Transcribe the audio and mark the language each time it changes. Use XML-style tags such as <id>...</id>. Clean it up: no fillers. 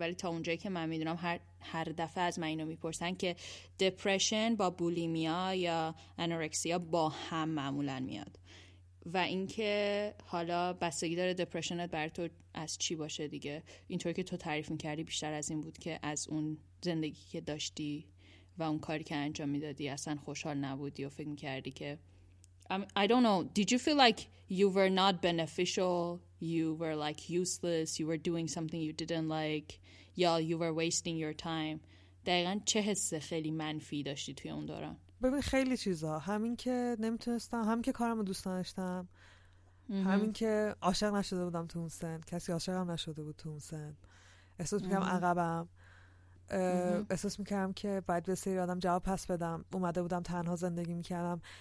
<fa>ولی تا اونجایی که من میدونم هر دفعه از من اینو میپرسن که دپرشن با بولیمیا یا انورکسیا با هم معمولا میاد. و اینکه حالا بستگی داره دپرشنت برای تو از چی باشه دیگه. اینطوری که تو تعریف میکردی بیشتر از این بود که از اون زندگی که داشتی و اون کاری که انجام میدادی اصلا خوشحال نبودی و فکر میکردی که</fa> <en>I don't know. Did you feel like you were not beneficial? You were like useless. You were doing something you didn't like. Yeah, you were wasting your time.</en> <fa>دقیقاً چه حس خیلی منفی داشتی توی اون دوران؟ ببین خیلی چیزا. همین که نمیتونستم، همین که کارم رو دوست نداشتم، همین که عاشق نشده بودم تو اون سن، کسی عاشقم نشده بود تو اون سن، احساس میکردم عقبم، احساس میکردم که باید به سری آدم جواب پس بدم، اومده بودم تنها زندگی میکردم.</fa>